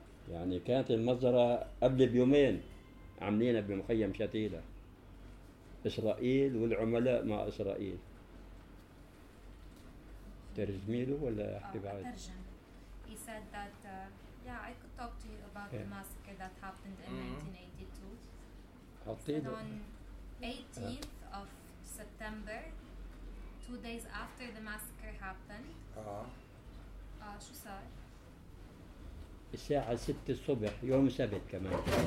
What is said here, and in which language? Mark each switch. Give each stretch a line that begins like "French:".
Arabic: يعني كانت المزرعة قبل بيومين عاملينها بمخيم شتيلة إسرائيل والعملاء مع إسرائيل. ترجمي له ولا أحكي بعد؟ أترجم.
English: He said that yeah, I could talk to you about the massacre that happened in 1982. On 18th of September, 2 days after the massacre happened.
Arabic: شو صار؟ الساعة 6 الصبح يوم سبت كمان.